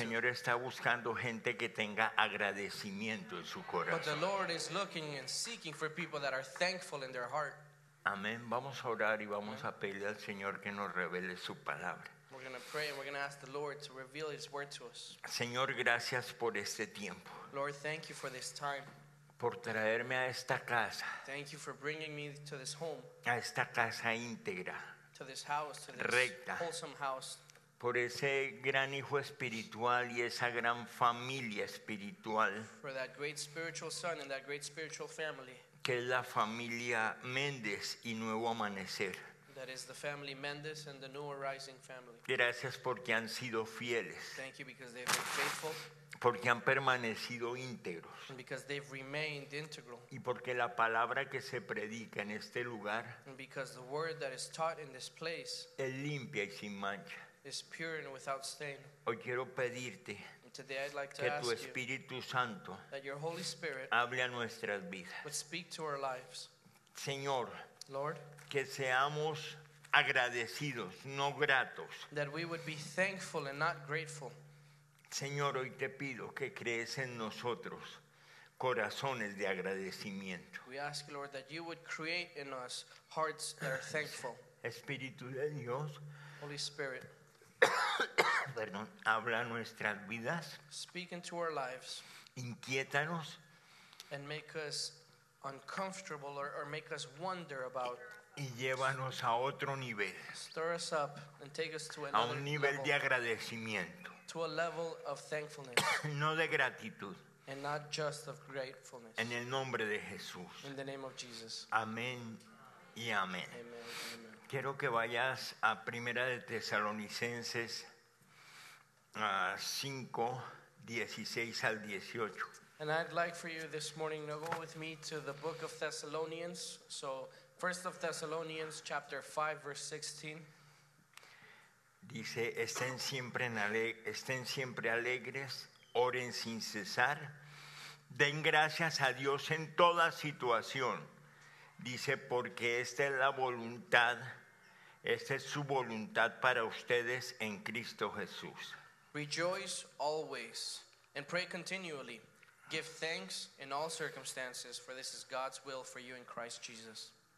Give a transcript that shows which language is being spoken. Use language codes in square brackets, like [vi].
[es] El Señor está buscando gente que tenga agradecimiento en su corazón. [en] But the Lord is looking and seeking for people that are thankful in their heart. [es] Amén. Vamos a orar y vamos a pedirle al Señor que nos revele su palabra. [en] We're going to pray and we're going to ask the Lord to reveal his word to us. [es] Señor, gracias por este tiempo. [en] Lord, thank you for this time. [es] Por traerme a esta casa. [en] Thank you for bringing me to this home. [es] A esta casa íntegra. [en] To this house, to this [es] recta. [en] Wholesome house. [es] Por ese gran hijo espiritual y esa gran familia espiritual. [en] For that great spiritual son and that great spiritual family. [es] Que es la familia Méndez y Nuevo Amanecer. [en] That is the family Mendes and the New Arising family. [es] Gracias porque han sido fieles. [en] Thank you because they've been faithful. [es] Porque han permanecido íntegros. [en] And because they've remained integral. [es] Y porque la palabra que se predica en este lugar. [en] And because the word that is taught in this place. [es] Es limpia y sin mancha. [en] Is pure and without stain. [es] Hoy quiero pedirte. [en] And today I'd like to [es] que [en] ask [es] tu Espíritu [en] you [es] Santo. [en] That your Holy Spirit. [es] Hable a nuestras vidas. [en] Would speak to our lives. [es] Señor. [en] Lord. [es] Que seamos agradecidos, no gratos. [en] That we would be thankful and not grateful. [es] Señor, hoy te pido que crees en nosotros corazones de agradecimiento. [en] We ask, Lord, that you would create in us hearts that are thankful. [es] Espíritu de Dios. [en] Holy Spirit. [es] Perdón, habla nuestras vidas. [en] Speak into our lives. [es] Inquiétanos. [en] And make us uncomfortable or make us wonder about. [es] Y llévanos a otro nivel. [en] Stir us up and take us to another [es] a un nivel de agradecimiento. [en] To a level of thankfulness. [es] No de gratitud. [en] And not just of gratefulness. [es] En el nombre de Jesús. [en] In the name of Jesus. [es] Amén y amén. [en] Amen, amen. [es] Quiero que vayas a Primera de Tesalonicenses 5:16-18. [en] And I'd like for you this morning to go with me to the book of Thessalonians. So 1 Thessalonians chapter 5 verse 16. [es] Dice, estén siempre alegres, oren sin cesar, den gracias a Dios en toda situación. Dice, porque esta es la voluntad, esta es su voluntad para ustedes en Cristo Jesús. [en] Rejoice always and pray continually. Give thanks in all circumstances, for this is God's will for you in Christ Jesus.